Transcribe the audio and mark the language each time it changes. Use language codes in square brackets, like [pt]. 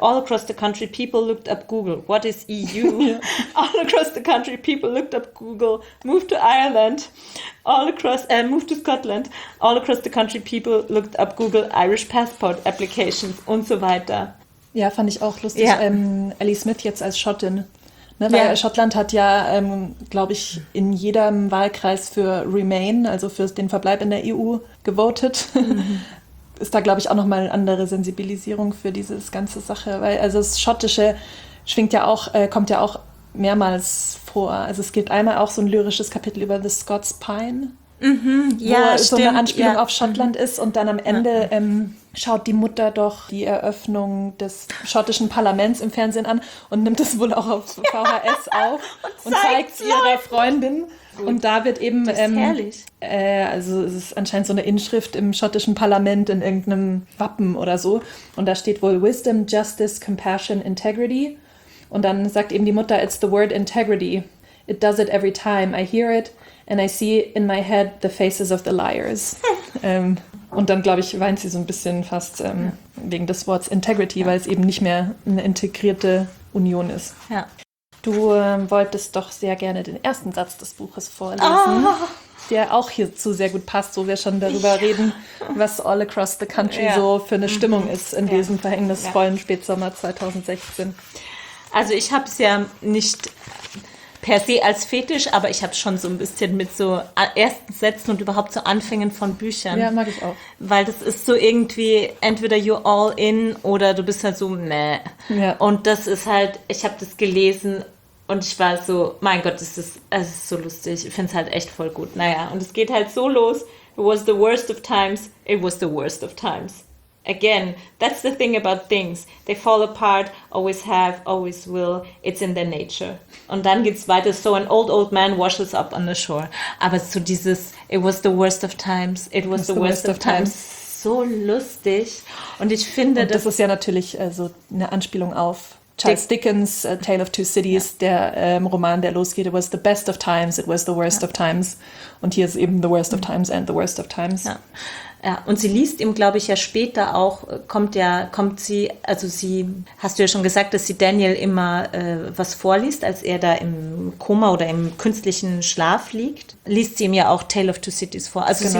[en] All across the country people looked up Google. What is EU? All across the country people looked up Google. Moved to Ireland. All across, moved to Scotland. All across the country people looked up Google. Irish passport applications [de] und so weiter. Ja, fand ich auch lustig. Ja. Ellie Smith jetzt als Schottin. Ne, weil Schottland hat ja, glaube ich, in jedem Wahlkreis für Remain, also für den Verbleib in der EU, gewotet. Ist da, glaube ich, auch nochmal eine andere Sensibilisierung für diese ganze Sache. Weil also das Schottische schwingt ja auch, kommt ja auch mehrmals vor. Also es gibt einmal auch so ein lyrisches Kapitel über The Scots Pine, wo so eine Anspielung auf Schottland ist. Und dann am Ende schaut die Mutter doch die Eröffnung des schottischen Parlaments im Fernsehen an und nimmt es wohl auch auf VHS auf und zeigt es ihrer Freundin. Gut. Und da wird eben, also es ist anscheinend so eine Inschrift im schottischen Parlament in irgendeinem Wappen oder so. Und da steht wohl Wisdom, Justice, Compassion, Integrity. [en] Und dann sagt eben die Mutter, it's the word integrity. It does it every time. I hear it and I see in my head the faces of the liars. [de] Und dann, glaube ich, weint sie so ein bisschen fast wegen des Wortes Integrity, weil es eben nicht mehr eine integrierte Union ist. Ja. Du wolltest doch sehr gerne den ersten Satz des Buches vorlesen, der auch hierzu sehr gut passt, wo wir schon darüber reden, was [en] all across the country [de] so für eine Stimmung ist in diesem verhängnisvollen Spätsommer 2016. Also ich habe es ja nicht per se als Fetisch, aber ich habe schon so ein bisschen mit so ersten Sätzen und überhaupt so Anfängen von Büchern. Ja, mag ich auch. Weil das ist so irgendwie entweder [en] you're all in [de] oder du bist halt so, meh. Ja. Und das ist halt, ich habe das gelesen und ich war so, mein Gott, das ist so lustig. Ich finde es halt echt voll gut. Naja, und es geht halt so los. [en] It was the worst of times. It was the worst of times. Again, that's the thing about things. They fall apart, always have, always will. It's in their nature. [de] Und dann geht's weiter. [en] So an old man washes up on the shore. [de] Aber so dieses, [en] it was the worst of times. It was the worst of times. [de] So lustig. Und ich finde, und das ist ja natürlich so eine Anspielung auf Charles Dickens, A Tale of Two Cities, der Roman, der losgeht. [en] It was the best of times. [de] It was [en] the worst of times. [de] Und hier ist eben the worst of times and the worst of times. Ja. Ja, und sie liest ihm, glaube ich, ja später auch, hast du ja schon gesagt, dass sie Daniel immer was vorliest, als er da im Koma oder im künstlichen Schlaf liegt, liest sie ihm ja auch Tale of Two Cities vor. Also genau.